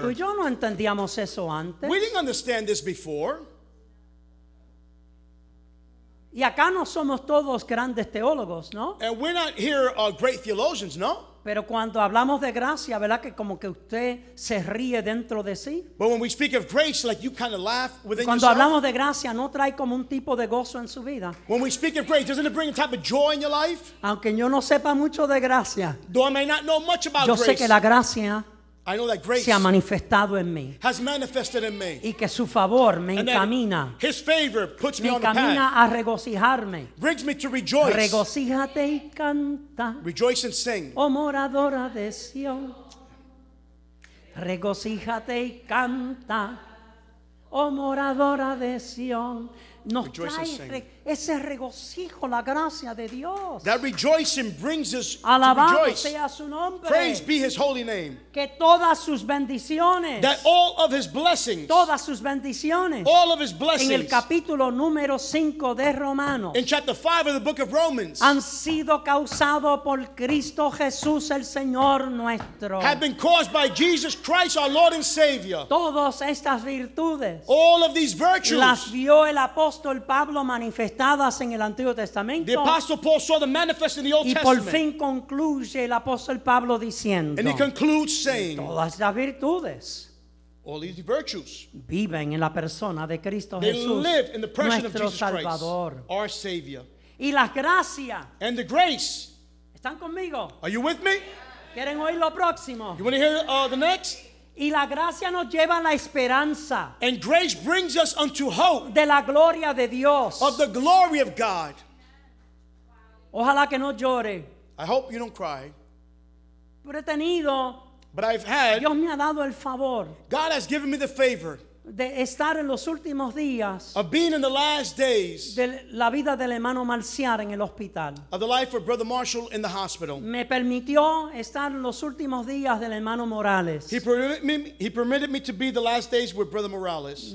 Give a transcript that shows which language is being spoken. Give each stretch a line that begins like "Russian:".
Spanish: Pues yo no entendíamos eso antes.
English: We didn't understand this before.
Spanish: Y acá no somos todos grandes teólogos, ¿no?
English: And we're not here great theologians, ¿no?
Spanish: Pero cuando hablamos de gracia, ¿verdad que como que usted se ríe dentro de sí?
English: But when we speak of grace, like you kind of laugh within
Spanish: cuando
English: yourself.
Spanish: Hablamos de gracia, no trae como un tipo de gozo en su vida.
English: When we speak of grace, doesn't it bring a type of joy in your life?
Spanish: Aunque yo no sepa mucho de gracia.
English: Though I may not know much about
Spanish: yo
English: grace.
Spanish: Yo sé que la gracia
English: I know that grace
Spanish: se ha manifestado en mí.
English: Has manifested in me.
Spanish: Y que su favor me
English: and
Spanish: encamina.
English: His favor puts me on the path.
Spanish: A regocijarme.
English: Brings me to rejoice.
Spanish: Regocíjate y canta.
English: Rejoice and sing.
Spanish: Oh moradora de Sion. Regocíjate y canta. Oh moradora de Sion. Nos
English: rejoice
Spanish: trae
English: and sing.
Spanish: Ese regocijo, la gracia de Dios.
English: That rejoicing brings us
Spanish: alabado
English: to rejoice.
Spanish: Sea su nombre.
English: Praise be his holy name.
Spanish: Que todas sus bendiciones.
English: That all of his blessings.
Spanish: Todas sus bendiciones.
English: All of his blessings.
Spanish: En el capítulo número 5 de Romanos.
English: In chapter 5 of the book of Romans.
Spanish: Han sido causado por Cristo Jesús el Señor nuestro.
English: Have been caused by Jesus Christ our Lord and Savior.
Spanish: Todas estas virtudes.
English: All of these virtues.
Spanish: Las vio el apóstol Pablo manifestadas en el Antiguo Testamento.
English: The Apostle Paul saw them manifest in the Old
Spanish: y por fin concluye el apóstol Pablo diciendo.
English: And he concludes saying.
Spanish: Todas las virtudes.
English: All these virtues.
Spanish: Viven en la persona de Cristo
English: they
Spanish: Jesús.
English: They live in the person
Spanish: nuestro
English: of Jesus
Spanish: Salvador.
English: Christ. Our Savior.
Spanish: Y las gracias.
English: And the grace.
Spanish: ¿Están conmigo?
English: Are you with me?
Spanish: ¿Quieren oír lo próximo?
English: You want to hear the next?
Spanish: Y la gracia nos lleva a la esperanza.
English: And grace brings us unto hope.
Spanish: De la gloria de Dios.
English: Of the glory of God.
Spanish: Ojalá que no llore.
English: I hope you don't cry.
Spanish: Pero he tenido.
English: But I've had.
Spanish: Dios me ha dado el favor.
English: God has given me the favor.
Spanish: de estar en los últimos días,
English: of being in the last days,
Spanish: de la vida del hermano Marcial en el hospital,
English: of the life of Brother Marshall in the hospital,
Spanish: me permitió estar en los últimos días del hermano Morales.
English: He permitted me to be the last days with Brother Morales.